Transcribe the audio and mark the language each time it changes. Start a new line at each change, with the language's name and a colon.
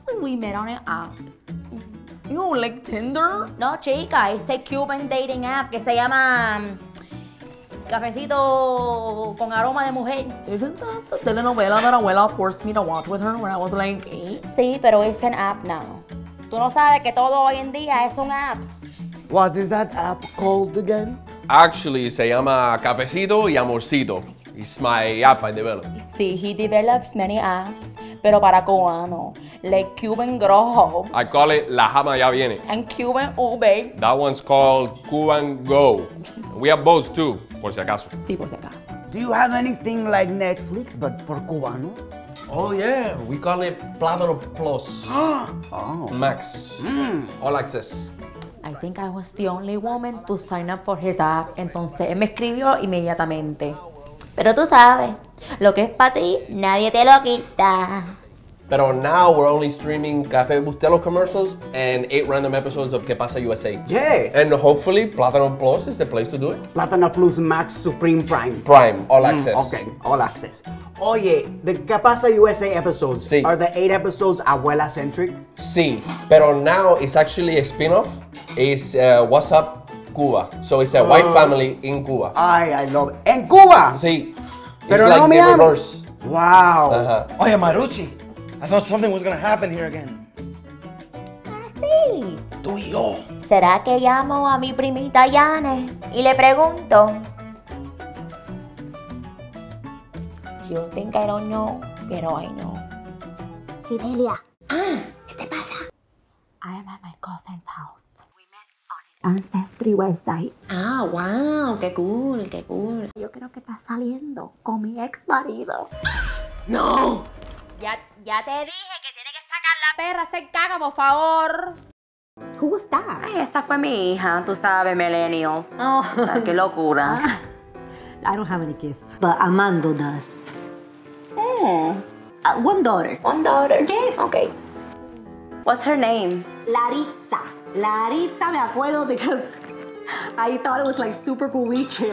English: We met on an app. You don't like Tinder?
Spanish: No, chica,
English: it's a Cuban dating app
Spanish: que se llama
English: Cafecito con aroma de mujer. Isn't that the telenovela that Abuela forced me to watch with her when I was like 8?
Spanish: Sí, pero
English: it's an app now.
Spanish: Tú no sabes que todo hoy en día es un app.
English: What is that app called again? Actually,
Spanish: se llama
English: Cafecito y Amorcito. It's my app I developed.
Spanish: Sí,
English: he develops many apps,
Spanish: pero para cubano.
English: Like Cuban Grojo. I call it La Jama Ya Viene. And Cuban Uber. That one's called Cuban Go. We have both too,
Spanish: por si acaso. Sí, por si acaso.
English: Do you have anything like Netflix, but for cubano? Oh yeah, we call it Plátano Plus. Max. All access. I think I was the only woman to sign up for his app.
Spanish: Entonces, él me escribió inmediatamente. Pero tú sabes, lo que es para ti, nadie te lo quita. Pero
English: now we're only streaming Café Bustelo commercials and 8 random episodes of Que Pasa USA. Yes. And hopefully, Plátano Plus is the place to do it. Plátano Plus Max Supreme Prime. Prime, all access. Okay, all access.
Spanish: Oye,
English: the Que Pasa USA episodes,
Spanish: sí.
English: Are the 8 episodes Abuela-centric?
Spanish: Sí, pero
English: now it's actually a spin-off. It's What's Up Cuba. So it's a white family in Cuba. I love it.
Spanish: ¿En Cuba? Sí. Pero
English: it's
Spanish: no
English: like
Spanish: me
English: the reverse. Wow. Uh-huh.
Spanish: Oye,
English: Marucci. I thought something was gonna happen here again.
Spanish: Sí. Tú y yo. ¿Será que llamo a mi primita Yane y le pregunto?
English: You think I don't know,
Spanish: pero
English: I know. Fidelia. Ah,
Spanish: ¿qué te pasa?
English: I am at my cousin's house. We met on Ancestry website.
Spanish: Ah, wow, qué cool, qué cool. Yo creo que estás saliendo con mi ex marido. No. Ya te dije que tiene que sacar la perra, se caga, por favor.
English: Who was that?
Spanish: Ay, esa fue mi hija, tú sabes, millennials. Oh. O sea, qué locura.
English: I don't have any kids, but Amando does. Oh. One daughter. One daughter. Yes. Okay. What's her name? Laritza. Laritza,
Spanish: me acuerdo,
English: because I thought it was like super cuiche.